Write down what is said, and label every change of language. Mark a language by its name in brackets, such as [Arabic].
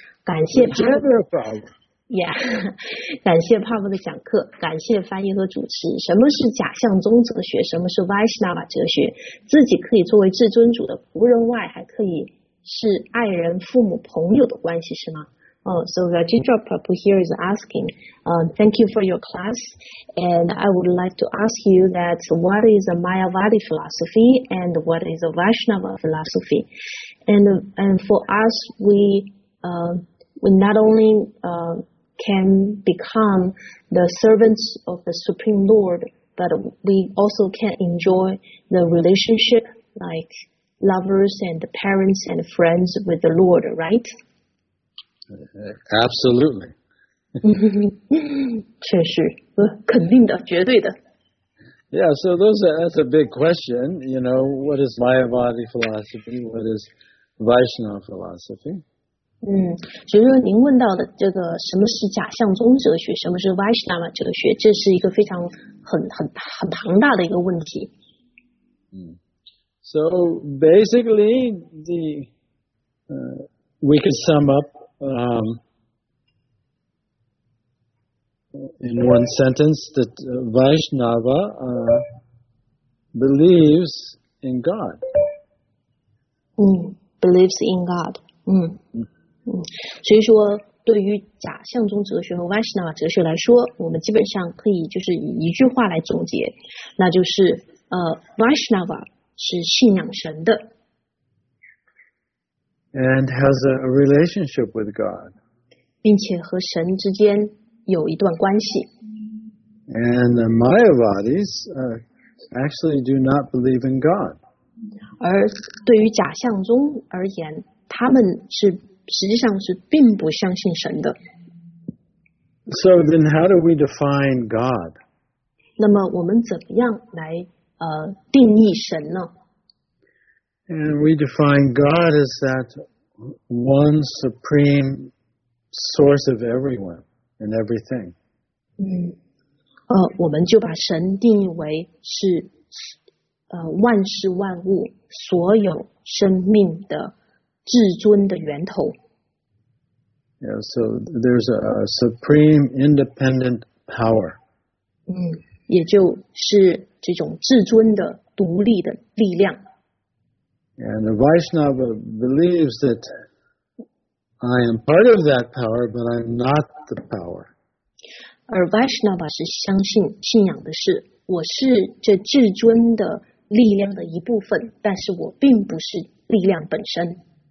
[Chinese] 感谢 感谢 Pab 的讲课，感谢翻译和主持。什么是假象宗哲学？什么是 Vaishnava 哲学？自己可以作为至尊主的仆人外，还可以是爱人、父母、朋友的关系是吗？ [English] So Rajendra Pab here is asking, thank you for your class, and I would like to ask you that what is a Mayavadi philosophy and what is a Vaishnava philosophy? And for us, we not only can become the servants of the Supreme Lord, but we also can enjoy the relationship like lovers and parents and friends with the Lord, right? Absolutely. [Chinese] 确实，肯定的，绝对的。 [English] Yeah, so that's a big question. You know, what is Mayavadi philosophy? What is Vaishnava philosophy? [Chinese] 所以说您问到的这个什么是假象宗哲学，什么是 Vaishnava 哲学，这是一个非常很庞大的一个问题。 [English] So basically, we could sum up in one sentence that Vaishnava believes in God. Believes in God. [Chinese] 所以说对于假象宗哲学和 Vaishnava 哲学来说，我们基本上可以就是以一句话来总结，那就是Vaishnava 是信仰神的。 [English] And has a relationship with God. [Chinese] 并且和神之间有一段关系。 [English] And the Mayavadis actually do not believe in God. [Chinese] 而对于假象宗而言，他们是实际上是并不相信神的。 [English] So then how do we define God? [Chinese] 那么我们怎么样来定义神呢？ [English] And we define God as that one supreme source of everyone and everything. [Chinese] 我们就把神定义为是万事万物所有生命的至尊的源头。 [English] Yeah, so there's a supreme independent power. [Chinese] 也就是这种至尊的独立的力量。 [English] And the Vaishnava believes that I am part of that power, but I'm not the power. [Chinese] 而 Vaishnava 是相信信仰的是，我是这至尊的力量的一部分，但是我并不是力量本身。